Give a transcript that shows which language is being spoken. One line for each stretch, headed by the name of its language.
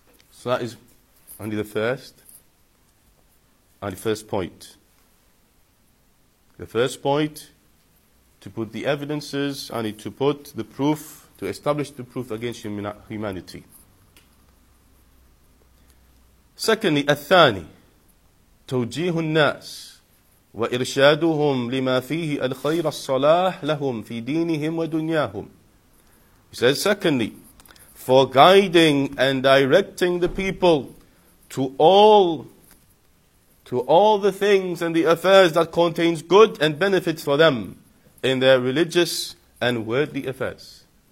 English: So that is the first point. The first point, to put the evidences, to put the proof, to establish the proof against humanity. Secondly,
Arabic: الثاني, توجيه الناس وإرشادهم لما فيه الخير الصلاح لهم في دينهم ودنياهم.
English: He says, secondly, for guiding and directing the people to all the things and the affairs that contains good and benefits for them in their religious and worldly affairs.